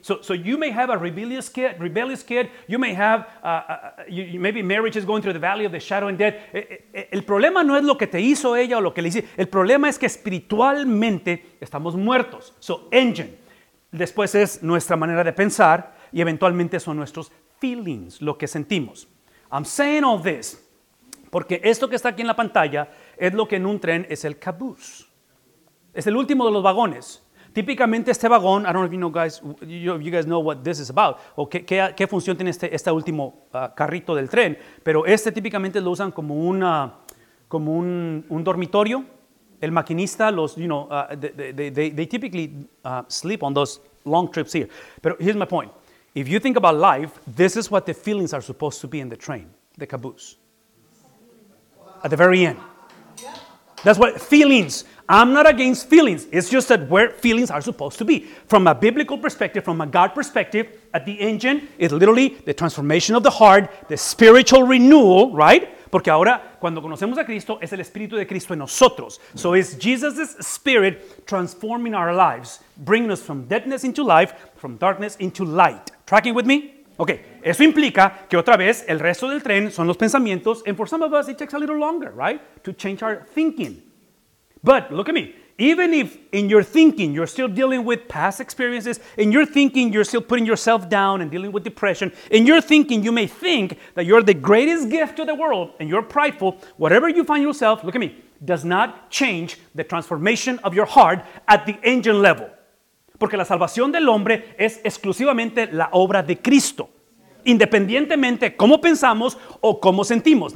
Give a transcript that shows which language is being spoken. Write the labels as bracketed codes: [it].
[en] So you may have a rebellious kid, you may have, maybe marriage is going through the valley of the shadow and death. [es] El problema no es lo que te hizo ella o lo que le hiciste, el problema es que espiritualmente estamos muertos. [en] So, engine. [es] Después es nuestra manera de pensar y eventualmente son nuestros [en] feelings, [es] lo que sentimos. [en] I'm saying all this [es] porque esto que está aquí en la pantalla es lo que en un tren es el caboose. Es el último de los vagones. Típicamente este vagón, [en] I don't know if you guys know what this is about, [es] o qué función tiene este último carrito del tren, pero este típicamente lo usan como un dormitorio. El maquinista, [en] they typically sleep on those long trips here. [es] Pero [en] here's my point. If you think about life, this is what the feelings are supposed to be in the train, the caboose. At the very end. That's what feelings. I'm not against feelings. It's just that where feelings are supposed to be. From a biblical perspective, from a God perspective, at the engine is literally the transformation of the heart, the spiritual renewal, right? [es] Porque ahora, cuando conocemos a Cristo, es el Espíritu de Cristo en nosotros. [en] So it's Jesus' Spirit transforming our lives, bringing us from deadness into life, from darkness into light. Tracking with me? Okay, [es] eso implica que otra vez el resto del tren son los pensamientos, [en] and for some of us it takes a little longer, right, to change our thinking. But look at me, even if in your thinking you're still dealing with past experiences, in your thinking you're still putting yourself down and dealing with depression, in your thinking you may think that you're the greatest gift to the world and you're prideful, whatever you find yourself, look at me, does not change the transformation of your heart at the engine level. [es] Porque la salvación del hombre es exclusivamente la obra de Cristo, independientemente cómo pensamos o cómo sentimos.